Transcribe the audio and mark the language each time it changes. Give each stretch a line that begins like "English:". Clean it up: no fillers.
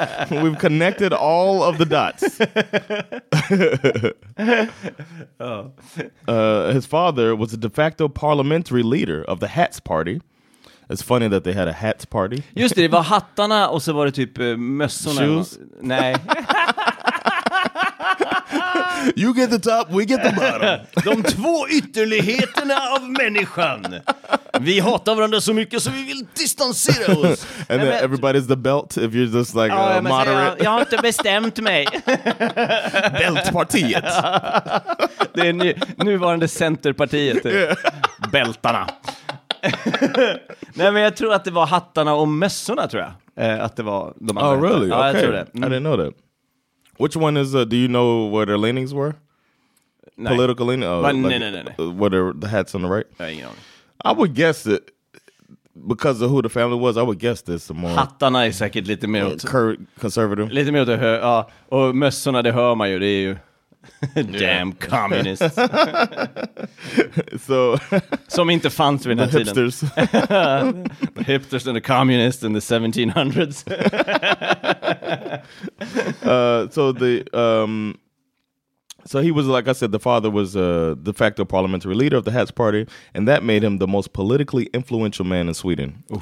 English: we've connected all of the dots. His father was a de facto parliamentary leader of the Hats Party. It's funny that they had a Hats Party.
Swedish: Just det, det var hattarna och så var det typ mössorna.
English: Shoes?
Swedish: Nej.
English: You get the top, we get the bottom.
Swedish: De två ytterligheterna av människan. Vi hatar varandra så mycket så vi vill distansera oss.
English: And then everybody's the belt if you're just like a moderate.
Swedish: Jag har inte bestämt mig. Bältpartiet. Det är nuvarande centerpartiet. Bältarna. Nej, men jag tror att det var hattarna och mössorna, tror jag. Att det var de andra.
English: Oh, really?
Swedish: Ja, okay. Jag tror det.
English: I didn't know that. Which one is, do you know where their leanings were?
Swedish: Nej.
English: Political leanings? Where the hats on the right?
Swedish: Nej,
English: you know. I would guess it, because of who the family was, I would guess this some more.
Swedish: Hattarna är säkert lite mer åt...
English: conservative.
Swedish: Lite mer åt det hör, ja. Och mössorna, det hör man ju, det är ju...
English: Damn communists. So,
Swedish: som inte fanns vid den här
English: hipsters.
Swedish: Tiden.
English: The hipsters and the communists in the 1700s. So he was, like I said, the father was a de facto parliamentary leader of the Hats Party, and that made him the most politically influential man in Sweden. Oof.